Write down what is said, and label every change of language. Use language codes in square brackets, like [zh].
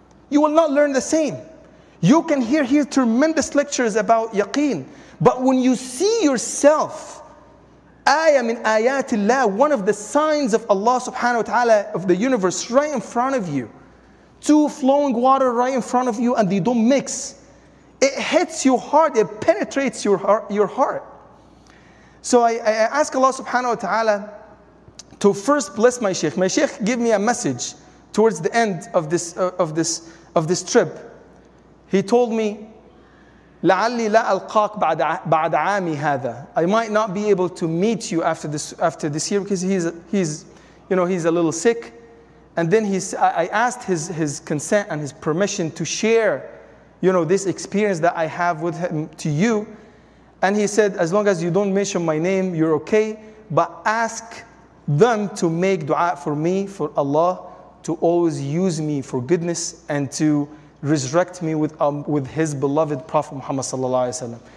[en] You will not learn the same. You can hear tremendous lectures about yaqeen, but when you see yourself, ayah min ayatillah, one of the signs of Allah subhanahu wa ta'ala of the universe right in front of you, two flowing water right in front of you and they don't mix, it hits your heart, it penetrates your heart. So I ask Allah subhanahu wa ta'ala to first bless my sheikh. My sheikh gave me a message towards the end of this trip. He told me, [ar] لعلي لا ألقاك بعد عامي هذا. [en] I might not be able to meet you after this year because he's a little sick. And then I asked his consent and his permission to share, you know, this experience that I have with him to you. And he said, as long as you don't mention my name, you're okay. But ask them to make dua for me, for Allah, to always use me for goodness and to resurrect me with his beloved Prophet Muhammad sallallahu alaihi wasallam.